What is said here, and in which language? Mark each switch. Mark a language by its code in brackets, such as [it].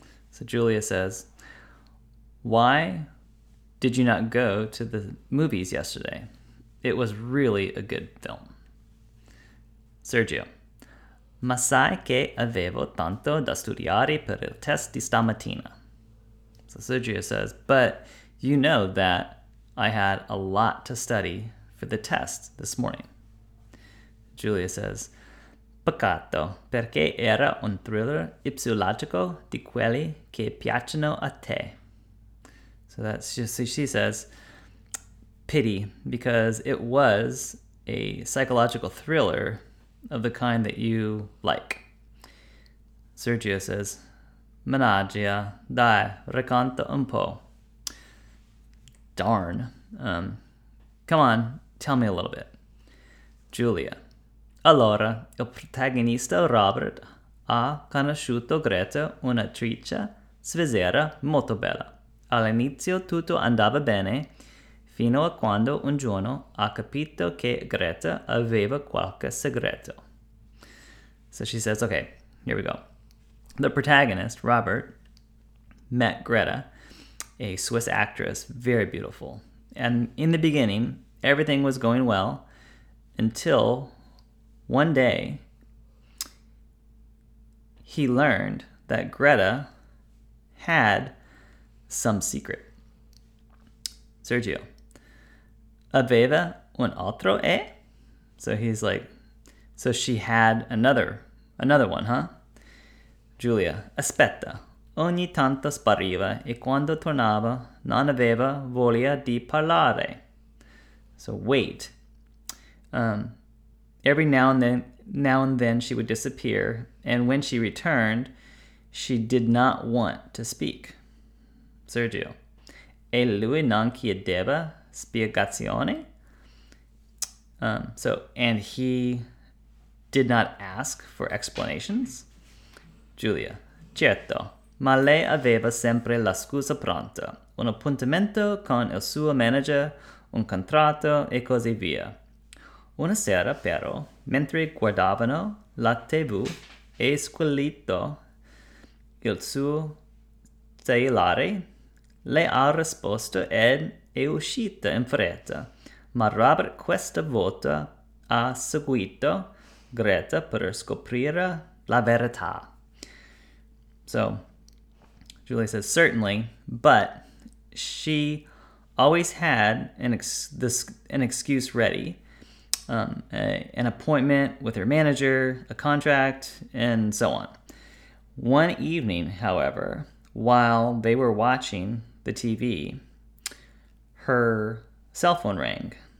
[en] So Julia says, why did you not go to the movies yesterday? It was really a good film. Sergio. [it] Ma sai che avevo tanto da studiare per il test di stamattina? [en] So Sergio says, but you know that I had a lot to study for the test this morning. Julia says, [it] peccato, perché era un thriller psicologico di quelli che piacciono a te. [en] So that's just, so she says, pity, because it was a psychological thriller of the kind that you like. Sergio says, [it] managgia, dai, racconta un po'. [en] Darn. Come on, tell me a little bit. Julia. [it] Allora, il protagonista Robert ha conosciuto Greta, un'attrice svizzera molto bella. All'inizio tutto andava bene, fino a quando un giorno ha capito che Greta aveva qualche segreto. [en] So she says, okay, here we go. The protagonist, Robert, met Greta, a Swiss actress, very beautiful. And in the beginning, everything was going well until one day he learned that Greta had some secret. [it] Sergio, aveva un altro, eh? [en] So he's like, so she had another one, huh? [it] Julia, aspetta. Ogni tanto spariva e quando tornava non aveva voglia di parlare. [en] So wait. Every now and then she would disappear, and when she returned, she did not want to speak. [it] Sergio. E lui non chiedeva spiegazioni? [en] And he did not ask for explanations? Julia. [it] Certo. Ma lei aveva sempre la scusa pronta. Un appuntamento con il suo manager, un contratto e così via. Una sera, però, mentre guardavano la TV, è squillito il suo cellulare. Lei ha risposto ed è uscita in fretta. Ma Robert questa volta ha seguito Greta per scoprire la verità. [en] So... Julia says, certainly, but she always had an excuse ready. An appointment with her manager, a contract, and so on. One evening, however, while they were watching the TV, her cell phone rang.